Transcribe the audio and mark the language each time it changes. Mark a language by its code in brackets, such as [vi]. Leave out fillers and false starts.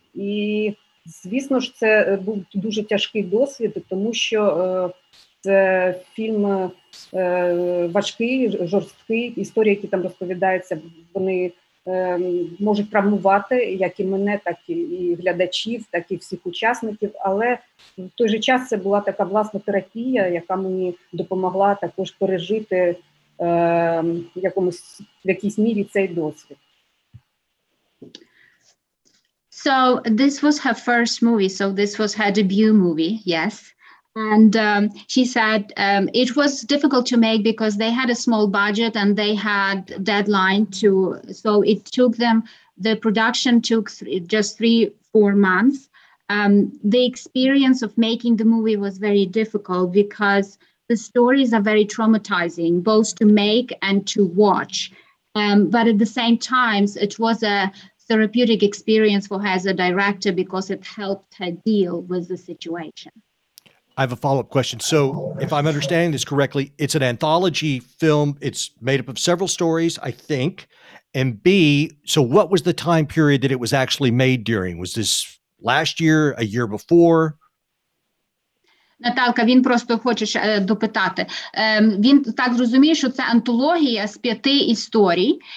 [uk] І, звісно ж, це був дуже тяжкий досвід, тому що це фільм важкий, жорсткий, історії, які там розповідаються, вони можуть травмувати, як і мене, так і глядачів, так і всіх учасників, але в той же час це була така власна терапія, яка мені допомогла також пережити в якійсь мірі цей досвід. [en] So, this was her first movie, so this was her debut movie, yes. And she said it was difficult to make because they had a small budget and they had deadline to, so it took them, the production took just three, four months. The experience of making the movie was very difficult because the stories are very traumatizing, both to make and to watch. But at the same time, it was a therapeutic experience for her as a director because it helped her deal with the situation. I have a follow-up question. So if I'm understanding this correctly, it's an anthology film. It's made up of several stories, I think. And B, so what was the time period that it was actually made during? Was this last year, a year before? [uk] Наталка, він просто хоче допитати. Він так зрозуміє, що це антологія з п'яти історій.